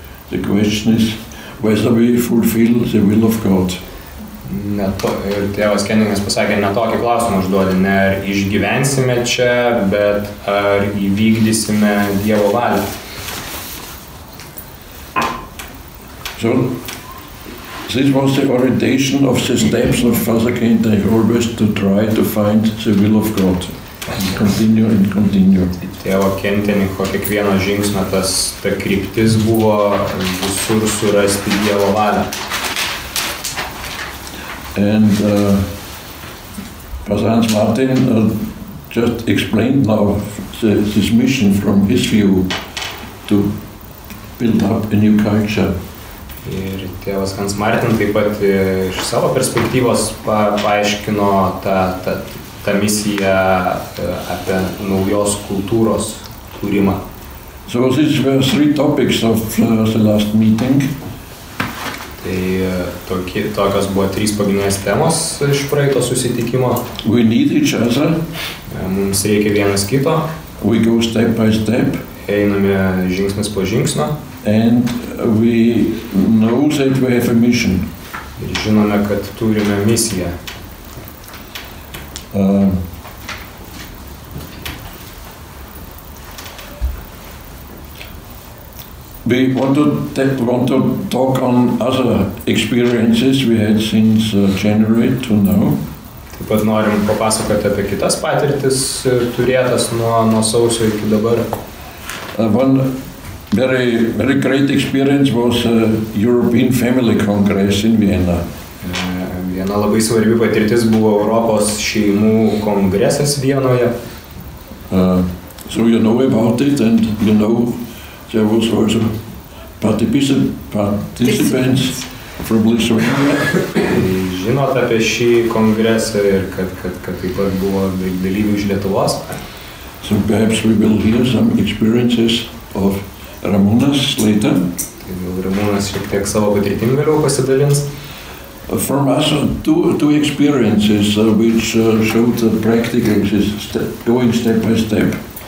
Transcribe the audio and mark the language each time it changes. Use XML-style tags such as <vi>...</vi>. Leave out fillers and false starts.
<en>The question is whether we fulfill the will of God."</en> <lt>Ir tėvas Kentenichas pasakė, ne tokį klausimą užduodė, ne ar išgyvensime čia, bet ar įvykdysime Dievo valią.</lt> <en>So, this was the orientation of the steps of Father Kentenich, always to try to find the will of God. Continue.</en> <lt>Tėvo Kentenicho kiekvieno žingsnio ta kryptis buvo visur surasti Dievo valią.</lt> <en>And Pasans Martin just explained now this mission from his view to build up a new culture.</en> <lt>Ir tėvas Hans Martin taip pat iš savo perspektyvos paaiškino tą misiją apie naujos kultūros kūrimą.</lt> <en>So these were three topics of the last meeting.</en> <lt>Tai tokios buvo trys pagrindinės temos iš praeito susitikimo.</lt> <en>We need each other.</en> <lt>Mums reikia vienas kito.</lt> <en>We go step by step.</en> <lt>Einame žingsnis po žingsnio.</lt> <en>And we know that we have a mission.</en> <lt>Ir žinome, kad turime misiją.</lt> <en>We want to talk on other experiences we had since January to now.</en> <lt>Taip pat norim papasakoti apie kitas patirtis turėtas nuo sausio iki dabar.</lt> <en>One very great experience was a European Family Congress in Vienna.</en> <lt>Viena labai svarbi patirtis buvo Europos šeimų kongresas Vienoje.</lt> <en>So you know about it and you know there was also participants from Lithuania.</en> <lt>Žinot apie šį kongresą ir kad taip pat buvo dalyvių iš Lietuvos.</lt> <en>So perhaps we will hear some experiences of Ramūnas later.</en> <lt>Tai gal Ramūnas šiek tiek savo patirtim vėliau pasidalins.</lt> <en>From us two experiences which showed the practical going step by step.</en>